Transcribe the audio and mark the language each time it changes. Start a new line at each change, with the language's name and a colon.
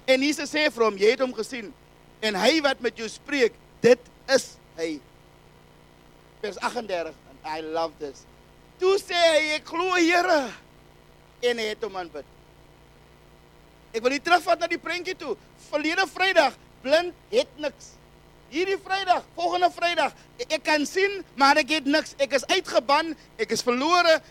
Afrikaans: En Jesus sê vir hom, jy het hom gesien. En hy wat met jou spreek, dit is hy. Vers 38,
English: I love this.
Afrikaans: Toe sê hy, ek glo, Here. En hy het hom aanbid. Ek wil nie terugvat na die prentjie toe. Verlede vrijdag, blind het niks. Hierdie vrijdag, volgende vrijdag, ek kan sien, maar ek het niks. Ek is uitgeban, ek is verlore.